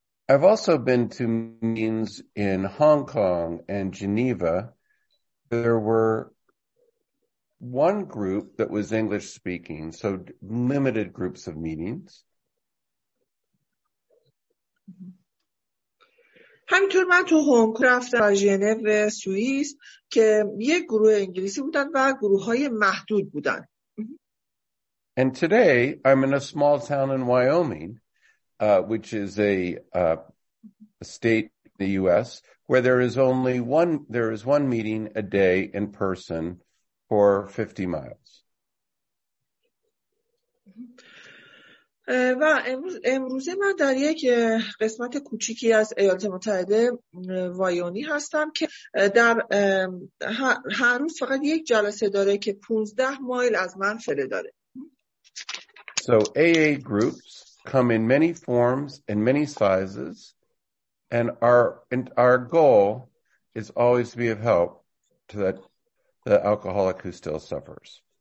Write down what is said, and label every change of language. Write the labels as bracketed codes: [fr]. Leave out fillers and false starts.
[en] I've also been to meetings in Hong Kong and Geneva. There were one group that was English speaking, so limited groups of meetings. [fa] همینطور من تو هنگ کنگ رفتم و ژنو و سوئیس که یک گروه انگلیسی بودن و گروه های محدود بودن. [en] And today I'm in a small town in Wyoming, which is a state in the US where there is one meeting a day in person for 50 miles. [fa] و امروز من در یک قسمت کوچیکی از ایالات متحده وایومینگ هستم که در هر روز فقط یک جلسه داره که 15 مایل از من فاصله داره. [en] So AA groups come in many forms and many sizes And our goal is always to be of help to the alcoholic who still suffers.